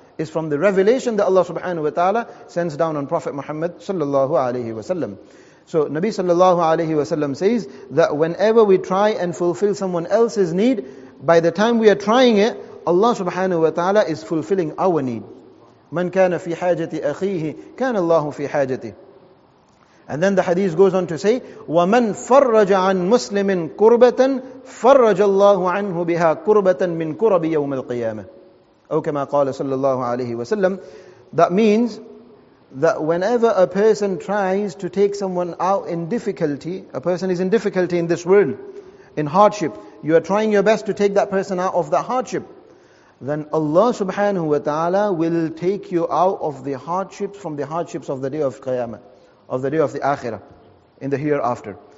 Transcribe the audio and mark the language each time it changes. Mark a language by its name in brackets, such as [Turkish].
[English] It's from the revelation that Allah subhanahu wa ta'ala sends down on Prophet Muhammad sallallahu alayhi wa sallam. So Nabi sallallahu alayhi wa sallam says that whenever we try and fulfill someone else's need, by the time we are trying it, Allah subhanahu wa ta'ala is fulfilling our need. [Arabic] مَنْ كَانَ فِي حَاجَةِ أَخِيهِ كَانَ اللَّهُ فِي حَاجَةِ. [English] And then the hadith goes on to say, [Arabic] وَمَنْ فَرَّجَ عَنْ مُسْلِمٍ كُرْبَةً فَرَّجَ اللَّهُ عَنْهُ بِهَا كُرْبَةً مِنْ كُرَبِ يَوْمَ الْقِيَامَةِ. أو كما قال sallallahu alayhi wa sallam. [English] That means that whenever a person tries to take someone out in difficulty, a person is in difficulty in this world, in hardship, you are trying your best to take that person out of that hardship, then Allah subhanahu wa ta'ala will take you out of the hardships, from the hardships of the day of Qiyamah, of the day of the Akhirah, in the hereafter.